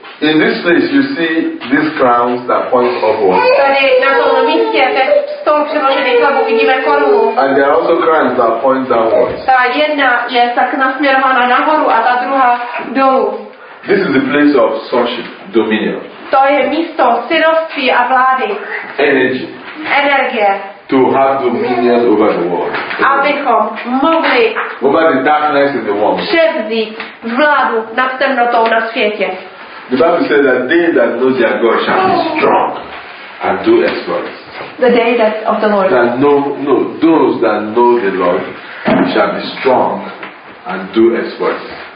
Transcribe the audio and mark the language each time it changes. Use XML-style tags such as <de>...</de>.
<en>In this place you see these crowns that point upwards.</en> <cs>Tady na tomto místě ten stůl přeložený chlebu vidíme korunu.</cs> <en>And there are also crowns that point downwards.</en> <cs>Ta jedna je tak nasměrována nahoru a ta druhá dolů.</cs> <en>This is the place of sonship, dominion.</en> <cs>To je místo synovství a vlády.</cs> <en>Energy.</en> <cs>Energie.</cs> <en>To have dominion over the world.</en> <cs>Abychom mohli.</cs> <en>Over the darkness in the world.</en> <cs>Převzít vládu nad temnotou na světě.</cs> <en>The Bible says that they that know their God shall be strong and do exploits. The day that of the Lord. That those that know the Lord shall be strong and do exploits.</en>